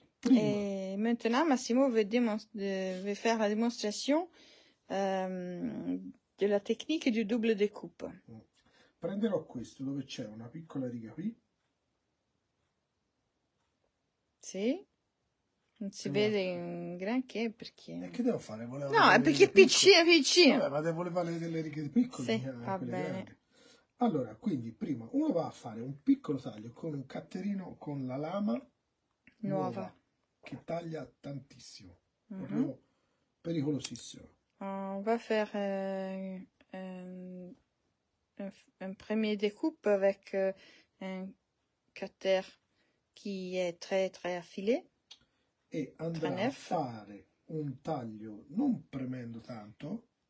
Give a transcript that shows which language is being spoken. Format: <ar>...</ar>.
<fr>Et maintenant, Massimo veut faire la démonstration de la technique du double découpe.</fr> <it>Prenderò questo, dove c'è una piccola riga qui. Sì. Non si vede un granché perché. E che devo fare? Volevo no, è perché è piccina, piccina. Vabbè, ma devo levare delle righe piccole. Sì, va bene. Grandi. Allora, quindi, prima uno va a fare un piccolo taglio con un catterino con la lama nuova. Che taglia tantissimo. Proprio pericolosissimo.</it> <fr>On va faire un premier découpe avec un cutter qui est très très affilé.</fr> <it>E andrà a fare un taglio non premendo tanto.</it>